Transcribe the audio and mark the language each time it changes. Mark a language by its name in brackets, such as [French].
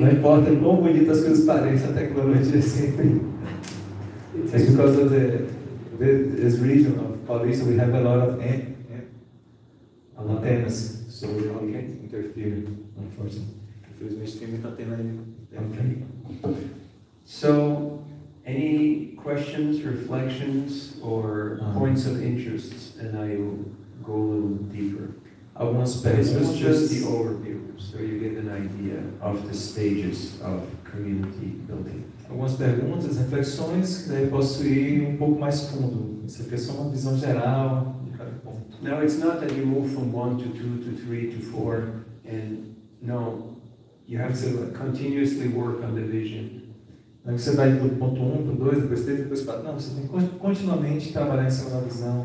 [Portuguese] Não importa quão bonitas as coisas parecem, a tecnologia é sempre. [English] It's because of this region of Paulista, we have a lot of antennas. So we all can't interfere, unfortunately. [Portuguese] Infelizmente tem muita antena aí. [English] Okay. So, any questions, reflections, or points of interest, and I will go a little deeper. [Portuguese] Algumas perguntas. [English] Just the overview, so you get an idea of the stages of community building. [Portuguese] Algumas perguntas, reflexões, que daí posso ir um pouco mais fundo. Isso aqui é só uma visão geral de cada ponto. [English] Now it's not that you move from 1 to 2 to 3 to 4, and no, you have to continuously work on the vision. [Portuguese] Não é que você vai do ponto 1, para 2, depois 3, depois 4. Não, você tem que continuamente trabalhar em cima da visão.